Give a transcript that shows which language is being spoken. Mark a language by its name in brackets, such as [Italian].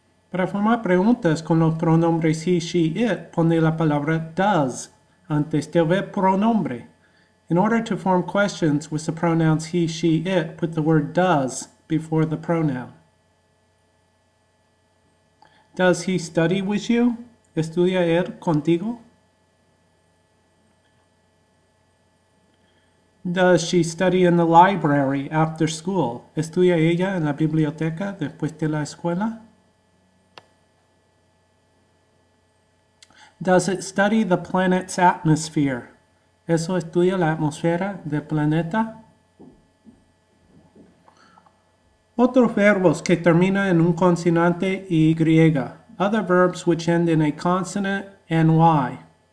[Spanish] Para formar preguntas con los pronombres he, she, it, pone la palabra does antes del pronombre. [English] In order to form questions with the pronouns he, she, it, put the word does before the pronoun. Does he study with you? [Spanish] ¿Estudia él contigo? [English] Does she study in the library after school? [Spanish] ¿Estudia ella en la biblioteca después de la escuela? [English] Does it study the planet's atmosphere? [Spanish] ¿Eso estudia la atmósfera del planeta? Otros verbos que terminan en un consonante y griega. [English] Other verbs which end in a consonant and y.